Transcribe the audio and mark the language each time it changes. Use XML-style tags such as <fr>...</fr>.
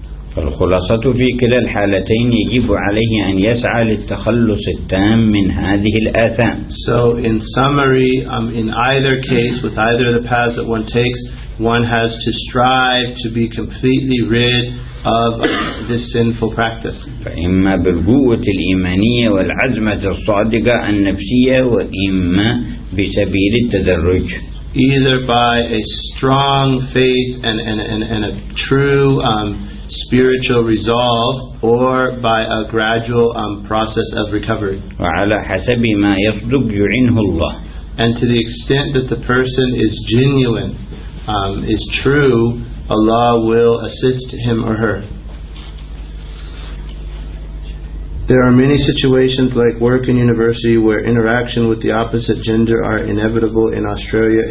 <ar>فالخلاصة في كلا الحالتين يجب عليه أن يسعى للتخلص التام من هذه الآثام.</ar> <en>So in summary, in either case, with either of the paths that one takes, one has to strive to be completely rid of this sinful practice.</en> <ar>فإما بالقوة الإيمانية والعزمة الصادقة النفسية وإما بسبيل التدرج.</ar> <en>Either by a strong faith and a true spiritual resolve, or by a gradual process of recovery.</en> <ar>وعلى حسب ما يصدق يعينه الله.</ar> <en>And to the extent that the person is genuine, is true, Allah will assist him or her. There are many situations like work and university where interaction with the opposite gender are inevitable in Australia.</en>